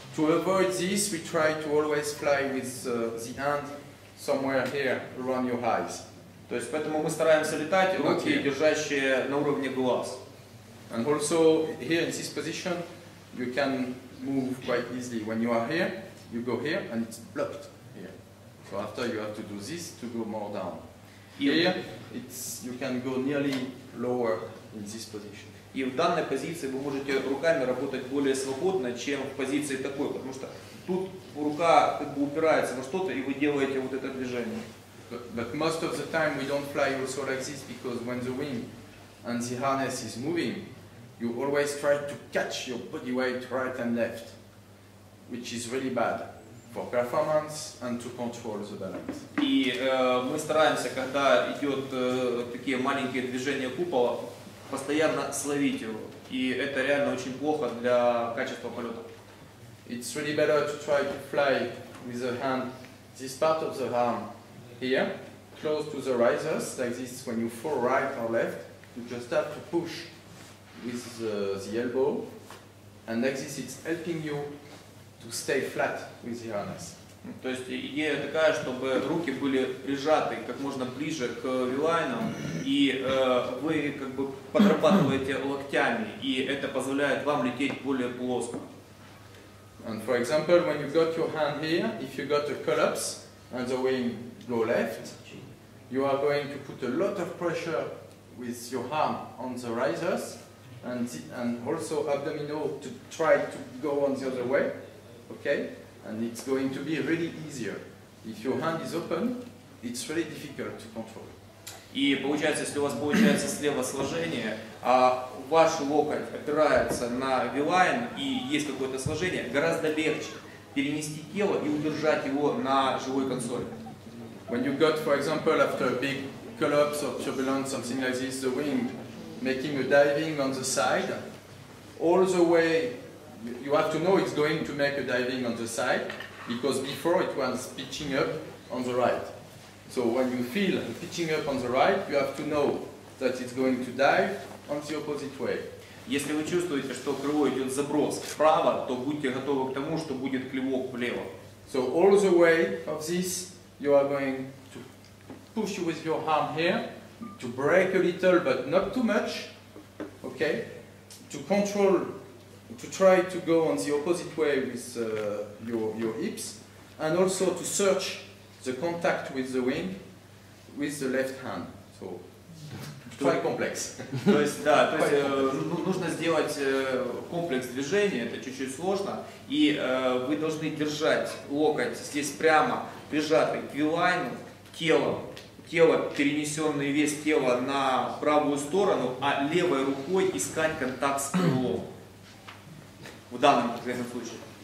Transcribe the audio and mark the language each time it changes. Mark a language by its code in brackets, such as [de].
[en] To avoid this, we try to always fly with the hand somewhere here around your eyes. [ru] То есть поэтому мы стараемся летать руки, держащие на уровне глаз. [en] And also here in this position, you can move quite easily. When you are here, you go here and it's blocked here. So after you have to do this to go more down. Here, you can go nearly lower in this position. [ru] И в данной позиции вы можете руками работать более свободно, чем в позиции такой, потому что тут рука как бы упирается во что-то, и вы делаете вот это движение. [en] But most of the time we don't fly also like this, because when the wing and the harness is moving, you always try to catch your body weight right and left, which is really bad for performance and to control the balance. [ru] И мы стараемся, когда идет такие маленькие движения купола, постоянно словить его. И это реально очень плохо для качества полета. [en] It's really better to try to fly with the hand, this part of the arm here, close to the risers, like this. When you fall right or left, you just have to push with the elbow, and like this, it's helping you to stay flat with the harness. [ru] То есть идея такая, чтобы руки были прижаты как можно ближе к V-лайнам, и вы как бы подрабатываете локтями, и это позволяет вам лететь более плоско. [en] And for example, when you've got your hand here, if you've got a collapse and the wing go left, you are going to put a lot of pressure with your arm on the risers and also abdominal to try to go on the other way, okay? And it's going to be really easier. If your hand is open, it's really difficult to control. [ru] И получается, если у вас получается слева сложение, а ваш локоть опирается на V-line и есть какое-то сложение, гораздо легче перенести тело и удержать его на живой консоли. [en] When you got, for example, after a big collapse or turbulence, something like this, the wing making a diving on the side, all the way, you have to know it's going to make a diving on the side, because before it was pitching up on the right. So when you feel pitching up on the right, you have to know that it's going to dive on the opposite way. [ru] Если вы чувствуете, что крыло идет заброс вправо, то будьте готовы к тому, что будет клевок влево. [en] So all the way of this, you are going to push with your arm here, to break a little, but not too much, okay? To control, to try to go on the opposite way with your hips, and also to search the contact with the wing, with the left hand, so quite complex. [ru] То есть, да, то есть нужно сделать комплекс движения, это чуть-чуть сложно, и вы должны держать локоть здесь прямо, прижатый к V-line, тело, перенесенный вес тела на правую сторону, а левой рукой искать контакт с крылом, в данном конкретном случае.